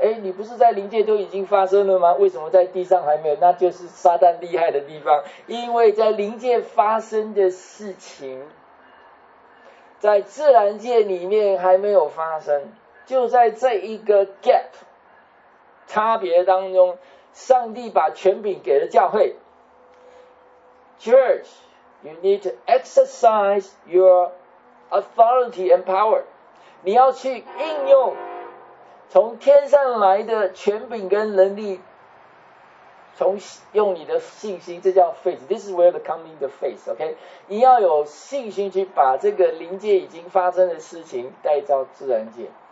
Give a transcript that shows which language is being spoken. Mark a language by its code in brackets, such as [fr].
[zh] 哎，你不是在灵界都已经发生了吗？为什么在地上还没有？那就是撒旦厉害的地方。因为在灵界发生的事情，在自然界里面还没有发生。就在这一个 gap 差别当中，上帝把权柄给了教会。 [en] Church， you need to exercise your authority and power。 [zh] 你要去应用从天上来的权柄跟能力，从用你的信心，这叫 faith。 [en] This is where the coming the faith， [zh] OK， 你要有信心去把这个灵界已经发生的事情带到自然界。